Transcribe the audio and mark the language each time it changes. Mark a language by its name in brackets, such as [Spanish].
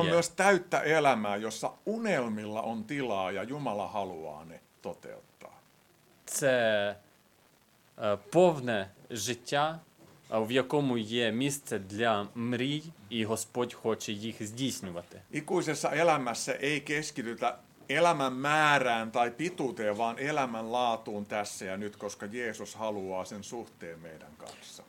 [Finnish] Se on myös täyttä elämää, jossa unelmilla on tilaa ja Jumala haluaa ne toteuttaa. [Ukrainian] Це повне життя, в якому є місце для мрій, і Господь хоче їх здійснювати. [Finnish] Ікуisessa elämässä ei keskitytä elämän määrään tai pituuteen, vaan elämän laatuun tässä ja nyt, koska Jeesus haluaa sen suhteen meidän kanssa.